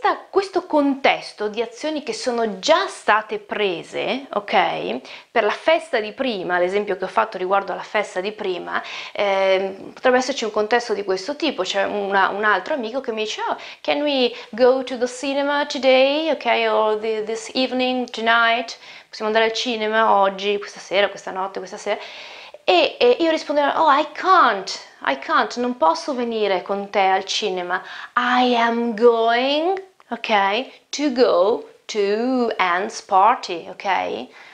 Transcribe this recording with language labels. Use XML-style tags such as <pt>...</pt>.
<it>Questo contesto di azioni che sono già state prese, ok? Per la festa di prima, l'esempio che ho fatto riguardo alla festa di prima, potrebbe esserci un contesto di questo tipo. C'è un altro amico che mi dice:</it> <en>Oh, can we go to the cinema today? Okay, or this evening, tonight?</en> <it>Possiamo andare al cinema oggi, questa sera, questa notte, questa sera? E io rispondevo:</it> <en>Oh, I can't,</en> <it>non posso venire con te al cinema.</it> <en>I am going, ok? To go to Anne's party, ok?</en>